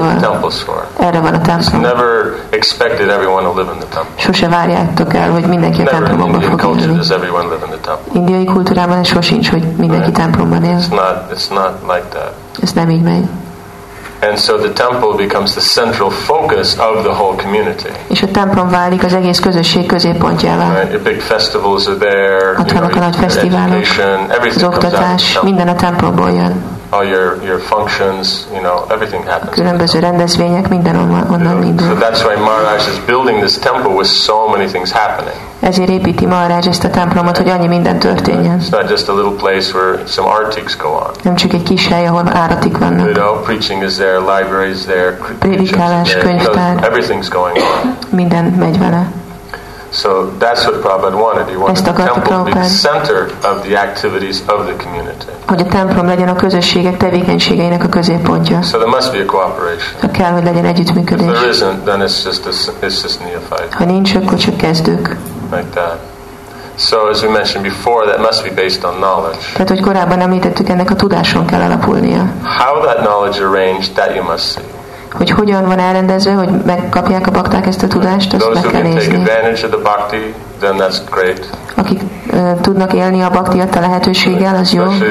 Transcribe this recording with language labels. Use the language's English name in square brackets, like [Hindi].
[English] That's what the temple's for. [Hungarian] Erre van a templom. [English] It's never expected everyone to live in the temple. [Hungarian] Sose várjátok el, hogy mindenki [English] never in Indian culture does everyone live in the temple. [Hungarian] Indiai kultúrában is sosincs, hogy mindenki templomban él. [English] It's not like that. [Hungarian] Ez nem így megy. [English] And so the temple becomes the central focus of the whole community. [Hungarian] És a templom válik az egész közösség középpontjává. [English] Right? Big festivals are there. [Hungarian] Ott vannak a nagy fesztiválok. Az oktatás, minden a templomból jön. [English] All your functions, you know, everything happens. [Hungarian] Különböző rendezvények, minden onnan indul. [English] So that's why Maharaj is building this temple with so many things happening. [Hungarian] Ezért építi Maharaj ezt a templomot, hogy annyi minden történjen. [English] It's not just a little place where some artics go on. [Hungarian] Nem csak egy kis hely, ahol áratik vannak. [English] You know, preaching is there, library is there, [Hungarian] prédikálás, könyvtár. [English] Everything's going on. [Hungarian] Minden megy vele. [English] So that's what Prabhupada wanted. He wanted the temple to be the center of the activities of the community. [Hungarian] Hogy a templom legyen a közösségek tevékenységeinek a középpontja. [English] So there must be a cooperation. [Hungarian] Ha kell, hogy legyen együttműködés. [English] If there isn't, then it's just neophyte. [Hungarian] Ha nincs, akkor csak kezdők. [English] Like that. So as we mentioned before, that must be based on knowledge. [Hungarian] Tehát, hogy korábban említettük, ennek a tudáson kell alapulnia. [English] How that knowledge arranged, that you must see. [Hungarian] Hogy hogyan van elrendezve, hogy megkapják a bakták ezt a tudást, azt meg kell nézni. [English] Bhakti, then that's great. [Hungarian] Akik tudnak élni a bakti adta lehetőséggel, az jó.